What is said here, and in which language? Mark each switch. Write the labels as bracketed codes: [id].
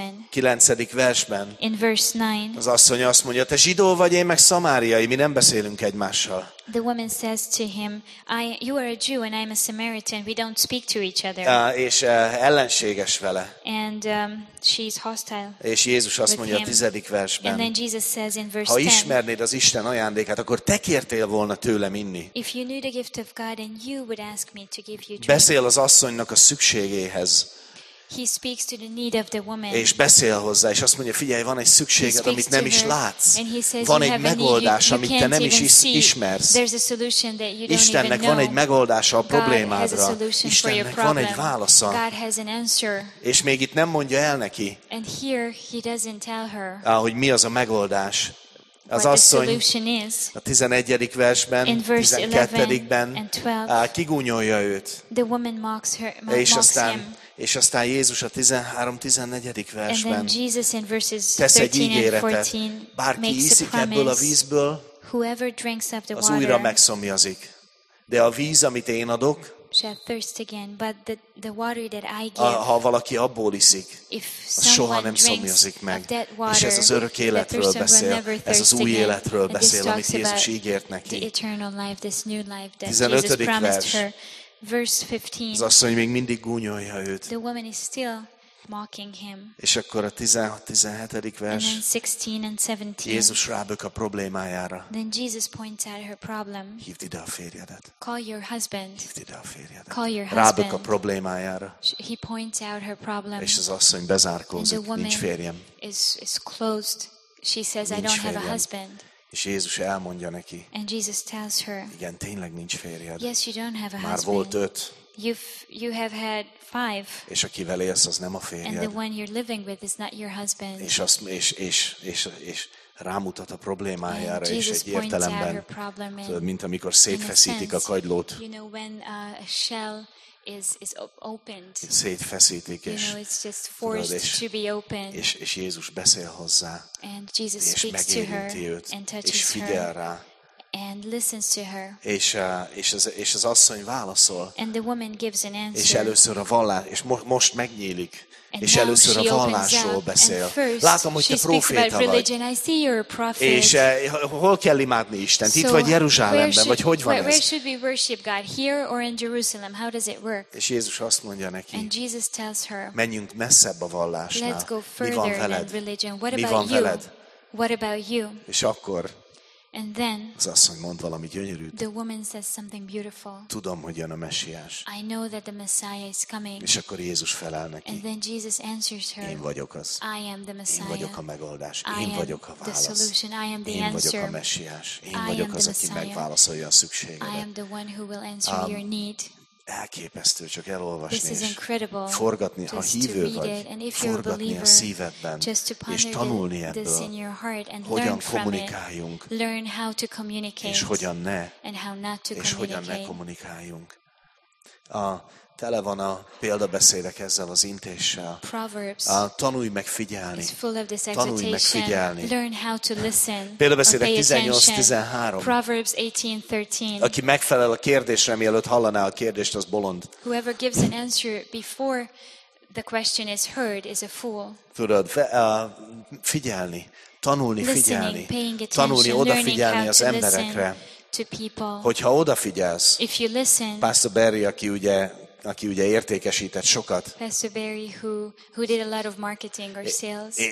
[hu] 9. versben az asszony azt mondja, te zsidó vagy, én meg szamáriai, mi nem beszélünk egymással. [en] The woman says to him, you are a Jew and I am a Samaritan, we don't speak to each other. [hu] És ellenséges vele. [en] And she's hostile. [hu] És Jézus azt mondja a 10. versben. [en] And then Jesus says in verse 10. [hu] Ha ismernéd az Isten ajándékát, akkor te kértél volna tőlem inni. [en] If you knew the gift of God and you would ask me to give you drink. [hu] Beszél az asszonynak a szükségéhez. [en] He speaks to the need of the woman. [hu] És beszél hozzá, és azt mondja, figyelj, van egy szükséged, amit nem is látsz. [en] Says, [hu] van egy megoldás, amit te nem is ismersz. [en] There's a solution that you don't [hu] Istennek [en] even know. [hu] Van egy megoldása a problémádra. [en] God has a solution [hu] Istennek [en] for your problem. [hu] Van egy válasza. [en] God has an answer. [hu] És még itt nem mondja el neki. [en] And here he doesn't tell her. [hu] Hogy mi az a megoldás. Az [en] what [hu] asszony [en] solution is, [hu] a 11. versben, 12-ben kigúnyolja őt. [en] The woman mocks her, [hu] és aztán [en] him. [hu] És aztán Jézus a 13-14. versben [en] Jesus in verses 13 [hu] tesz egy ígéretet, bárki iszik [en] promise, [hu] ebből a vízből, [en] whoever drinks of the [hu] az újra megszomjazik. De a víz, amit én adok, [en] shall thirst again, but the water that I give, [hu] ha valaki abból iszik, az soha nem szomjazik meg. [en] Water, [hu] és ez az örök életről beszél, ez az új életről beszél, amit Jézus ígért neki. [en] The eternal life, this new life that [hu] 15. [en] Jesus promised [hu] vers. [en] Her. Verse 15. [hu] Az asszony még mindig gúnyolja őt. [en] The woman is still mocking him. [hu] És akkor a 16-17. vers. [en] And then 16 and 17. [hu] Jézus rábök a problémájára. [en] Then Jesus points out her problem. [hu] Hívd ide a férjedet. [en] Call your husband. [hu] Hívd ide a férjedet. [en] Call your husband. [hu] Rábök a problémájára. [en] He points out her problem. [hu] És az asszony bezárkózik. Nincs férjem. [en] Is closed. She says, [hu] nincs [en] I don't [hu] férjem. [en] Have a husband. [hu] És Jézus elmondja neki. [en] And Jesus tells her. [hu] Igen, tényleg nincs férjed. [en] Yes, you don't have a husband. [hu] Már volt öt. [en] You have had five. [hu] És akivel élsz, az nem a férjed. [en] And the one you're living with is not your husband. [hu] És azt és rámutat a problémájára, és egy értelemben, mint amikor szétfeszítik a kagylót. [en] You know when a shell is opened. [hu] Szétfeszítik, és [en] you know, it's just forced to be opened. [hu] És Jézus beszél hozzá. [en] And Jesus [hu] és [en] speaks to her [hu] őt, [en] and touches [hu] és figyel [en] her. [hu] Rá. [en] And listens to her. [hu] És az asszony válaszol. [en] And the woman gives an answer. [hu] És először a vallás, és most megnyílik. [en] And [hu] és először a vallásról beszél. Látom, hogy te proféta vagy. És hol kell imádni Istent? Itt vagy Jeruzsálemben, vagy hogy van ez? [en] Where should we worship God? Here or in Jerusalem? How does it work? [hu] És Jézus azt mondja neki. [en] And Jesus tells her. [hu] Menjünk messzebb a vallásnál. [en] Let's go further in religion. What about [hu] mi van veled? [en] You? What about you? [hu] És akkor. [en] And then. [hu] Az asszony mond valami gyönyörűt. [en] The woman says something beautiful. [hu] Tudom, hogy jön a Messiás. [en] I know that the Messiah is coming. [hu] És akkor Jézus felel neki. [en] And then Jesus answers her. [hu] Én vagyok az. [en] I am the Messiah. [hu] Én vagyok a megoldás. [en] I [hu] én vagyok a válasz. [en] The solution. I am the [hu] én [en] answer. [hu] Vagyok a Messiás. Én [en] I [hu] vagyok [en] am [hu] az, [en] the [hu] aki [en] Messiah. [hu] Megválaszolja a szükségedet. [en] I am the one who will answer your need. [hu] Elképesztő, csak elolvasni [en] this is incredible. [hu] És forgatni, ha hívő vagy, forgatni [en] believer, [hu] a szívedben, és tanulni ebből, hogyan kommunikáljunk, és hogyan ne, és hogyan ne kommunikáljunk. Tele van a példabeszédek ezzel az intéssel. Tanulj meg figyelni. Tanulj meg figyelni. Példabeszédek 18-13. [en] Proverbs 18-13. [hu] Aki megfelel a kérdésre, mielőtt hallaná a kérdést, az bolond. [en] Whoever gives an answer before the question is heard is a fool. [hu] Tudod, figyelni. Tanulni figyelni. [en] Paying attention, [hu] tanulni odafigyelni az emberekre. [en] To people. [hu] Hogyha odafigyelsz, [en] if you listen, [hu] Pastor Barry, aki ugye aki ugye értékesített sokat. [en] Pastor Barry, who did a lot of marketing or sales.